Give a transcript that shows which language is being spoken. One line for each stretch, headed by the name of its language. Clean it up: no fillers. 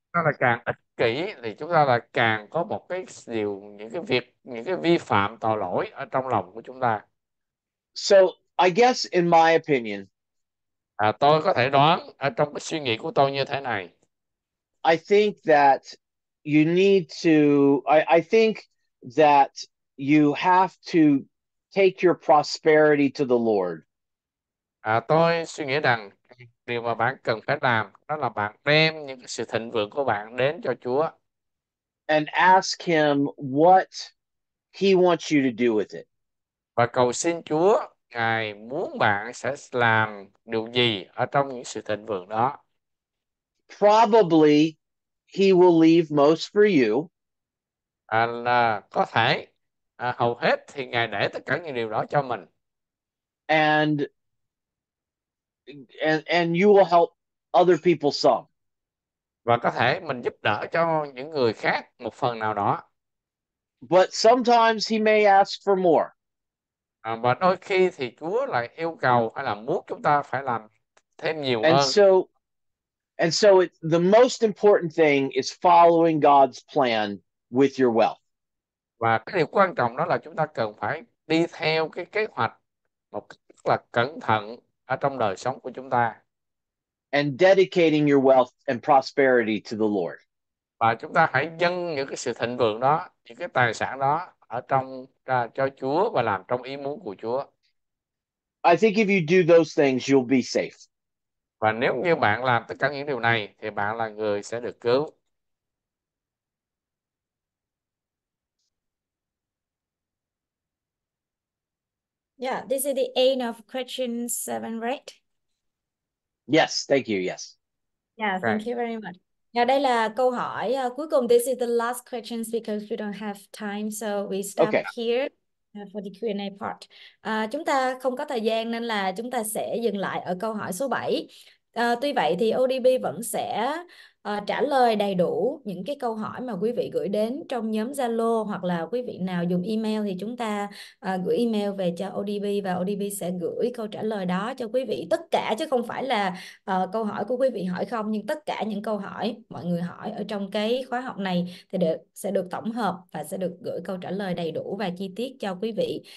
Vietnamese: Chúng ta càng ích kỷ thì chúng ta là càng có một cái điều những cái vi phạm tội lỗi ở trong lòng của chúng ta.
English: So, I guess in my opinion,
Vietnamese: À, tôi có thể đoán ở trong cái suy nghĩ của tôi như thế này.
English: I think that you need to, I think that you have to take your prosperity to the Lord.
Vietnamese: À, tôi suy nghĩ rằng điều mà bạn cần phải làm đó là bạn đem những sự thịnh vượng của bạn đến cho Chúa.
English: And ask him what he wants you to do with it.
Vietnamese: Và cầu xin Chúa Ngài muốn bạn sẽ làm điều gì ở trong những sự thịnh vượng đó.
English: Probably he will leave most for you.
Vietnamese: À, là có thể à, hầu hết thì Ngài để tất cả những điều đó cho mình.
English: And you will help other people some.
Vietnamese: Và có thể mình giúp đỡ cho những người khác một phần nào đó.
English: But sometimes he may ask for more.
Vietnamese: Và đôi khi thì Chúa lại yêu cầu hay là muốn chúng ta phải làm thêm nhiều
English: And
Vietnamese: hơn.
English: so, the most important thing is following God's plan with your wealth.
Vietnamese: Và cái điều quan trọng đó là chúng ta cần phải đi theo cái kế hoạch một cách rất là cẩn thận ở trong đời sống của chúng ta.
English: And dedicating your wealth and prosperity to the Lord.
Vietnamese: Và chúng ta hãy dâng những cái sự thịnh vượng đó, những cái tài sản đó ở trong ra cho Chúa và làm trong ý muốn của Chúa.
English: I think if you do those things, you'll be safe.
Vietnamese: Và nếu như bạn làm tất cả những điều này thì bạn là người sẽ được cứu.
English: Yeah, this is the end of question 7, right? Yes, thank you, yes. Yeah, Okay. thank you very much.
Vietnamese: Yeah, đây là câu hỏi cuối cùng.
English: This is the last questions because we don't have time, so we stop Okay. here for the Q&A part.
Vietnamese: Chúng ta không có thời gian nên là chúng ta sẽ dừng lại ở câu hỏi số 7. Tuy vậy thì ODB vẫn sẽ trả lời đầy đủ những cái câu hỏi mà quý vị gửi đến trong nhóm Zalo, hoặc là quý vị nào dùng email thì chúng ta gửi email về cho ODB và ODB sẽ gửi câu trả lời đó cho quý vị tất cả, chứ không phải là câu hỏi của quý vị hỏi không, nhưng tất cả những câu hỏi mọi người hỏi ở trong cái khóa học này thì sẽ được tổng hợp và sẽ được gửi câu trả lời đầy đủ và chi tiết cho quý vị.